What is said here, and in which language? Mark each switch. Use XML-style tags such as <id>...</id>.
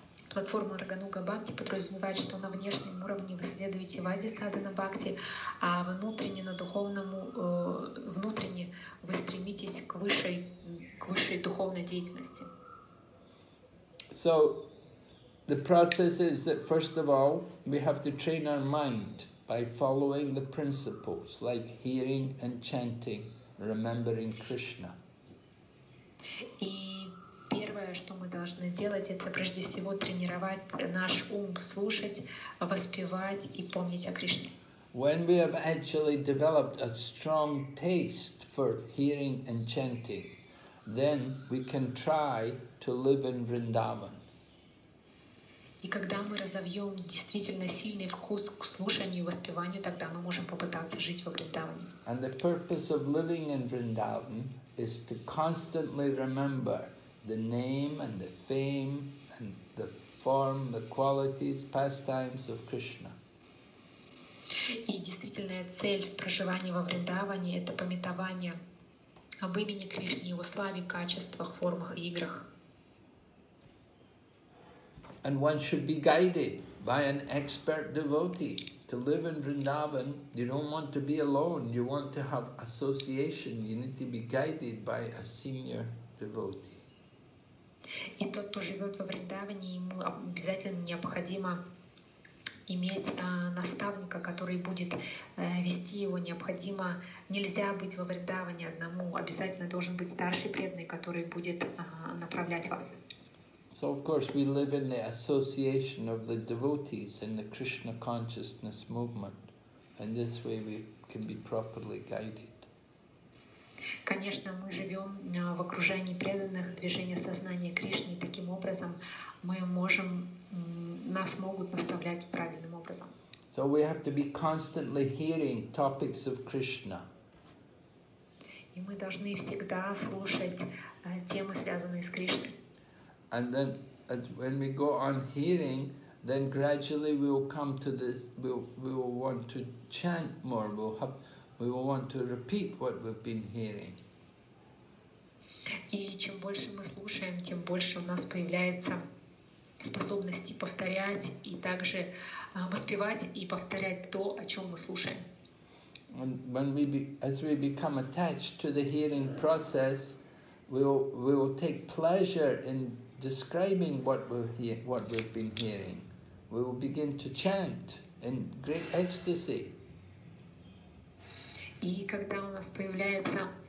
<ru>Платформа Рагануга Бхакти подразумевает, что на внешнем уровне вы следуете Вайди Садхана Бхакти, а внутренне на духовному внутренне вы стремитесь к высшей духовной деятельности.</ru> <en>So the process is that first of all we have to train our mind by following the principles like hearing and chanting, remembering Krishna.</en> <ru>И первое, что мы должны делать, это прежде всего тренировать наш ум, слушать, воспевать и помнить о Кришне.</ru> <en>When we have actually developed a strong taste for hearing and chanting, then we can try to live in Vrindavan.</en> <ru>И когда мы разовьем действительно сильный вкус к слушанию и воспеванию, тогда мы можем попытаться жить во Вриндаване.</ru> <en>And the purpose of living in Vrindavan is to constantly remember the name and the fame and the form, the qualities, pastimes of Krishna.</en> <ru>И действительная цель проживания во Вриндаване — это памятование об имени Кришны, его славе, качествах, формах и играх.</ru> <en>And one should be guided by an expert devotee to live in Vrindavan. You don't want to be alone. You want to have association. You need to be guided by a senior devotee.</en> <ru>И тот, кто живет во Вриндаване, ему обязательно необходимо иметь наставника, который будет вести его. Необходимо, нельзя быть во Вриндаване одному. Обязательно должен быть старший преданный, который будет направлять вас.</ru> <en>So of course we live in the association of the devotees in the Krishna consciousness movement, and this way we can be properly guided.</en> <ru>Конечно, мы живем в окружении преданных движения сознания Кришны, таким образом мы можем, нас могут наставлять правильным образом.</ru> <en>So we have to be constantly hearing topics of Krishna.</en> <ru>И мы должны всегда слушать темы, связанные с Кришной.</ru> <en>And then as when we go on hearing, then gradually we will come to this, we will want to chant more, we will want to repeat what we've been hearing.</en> <ru>И чем больше мы слушаем, тем больше у нас появляется способности повторять и также воспевать и повторять то, о чем мы слушаем.</ru> <en>And when we as we become attached to the hearing process, we will take pleasure in describing what we've been hearing, we will begin to chant in great ecstasy.</en> <ru>И когда у нас появляется</ru>